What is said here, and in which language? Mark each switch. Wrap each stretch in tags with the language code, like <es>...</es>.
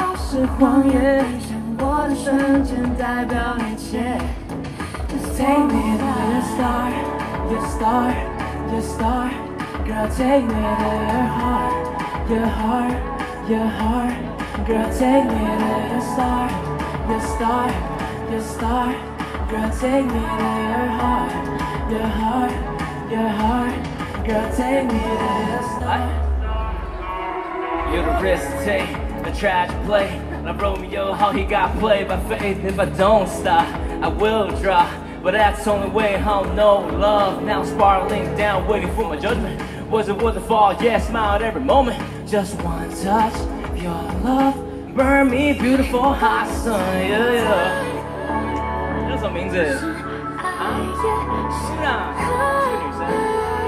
<zh>是谎言，想过的瞬间代表一切。</zh> <en>Just take me to your star, your star, your star. Girl, take me to your heart, your heart, your heart. Girl, take me to your star, your star, your star. Girl, take me to your heart, your heart, your heart. Girl, take me to your star. You're the risk to take, the tragic play. Like Romeo, how he got played by faith. If I don't stop, I will drop. But that's only way I don't know love. Now I'm spiraling down, waiting for my judgment. Was it worth the fall? Yeah, smiled every moment. Just one touch, your love. Burn me, beautiful hot sun. Yeah, yeah.</en> <zh>叫什么名字？啊，是啊，这个女生。</zh>